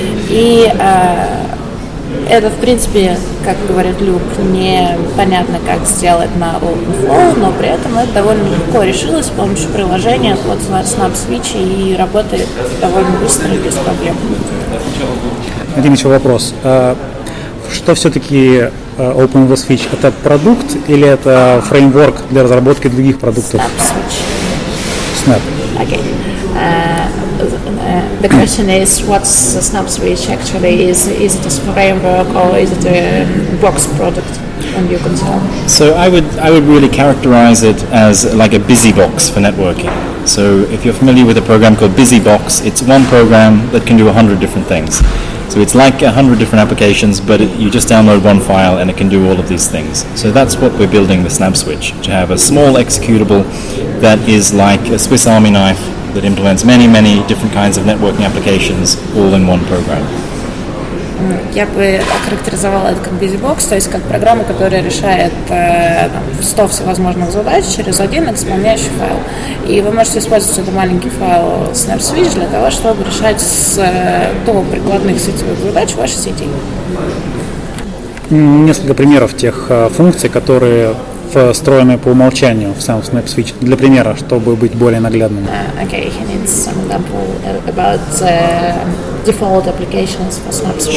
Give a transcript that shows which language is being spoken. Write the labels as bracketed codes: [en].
[ru] И это, в принципе, как говорит Люк, непонятно, как сделать на OpenFlow, но при этом это довольно легко решилось с помощью приложения под SnapSwitch и работает довольно быстро и без проблем. Один еще вопрос. Что все-таки OpenBSwitch? Это продукт или это фреймворк для разработки других продуктов? SnapSwitch. Snap. [en] Okay. The question is, what's SnapSwitch actually? Is it a framework or is it a box product on your console? So I would really characterize it as like a busy box for networking. So if you're familiar with a program called BusyBox, it's one program that can do 100 different things. So it's like 100 different applications, but you just download one file and it can do all of these things. So that's what we're building with SnapSwitch, to have a small executable that is like a Swiss Army knife that implements many, many different kinds of networking applications all in one program. [ru] Я бы охарактеризовала это как BusyBox, то есть как программа, которая решает 100 всевозможных задач через один исполняющий файл. И вы можете использовать этот маленький файл SnapSwitch для того, чтобы решать то прикладных сетевых задач в вашей сети. Несколько примеров тех функций, которые встроены по умолчанию в сам SnapSwitch. Для примера, чтобы быть более наглядным. [en] Okay, he needs some example about default applications for SnapSwitch.